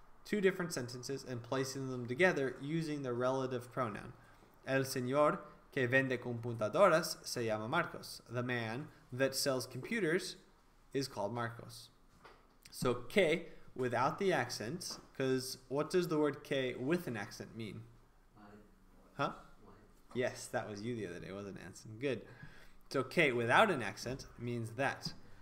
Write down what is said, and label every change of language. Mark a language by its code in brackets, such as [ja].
[en] Two different sentences and placing them together using the relative pronoun. [es] El señor que vende computadoras se llama Marcos. [en] The man that sells computers is called Marcos. So que without the accent, because what does the word que with an accent mean? Huh? Yes, that was you the other day, wasn't it, Anson? Good. So que without an accent means that.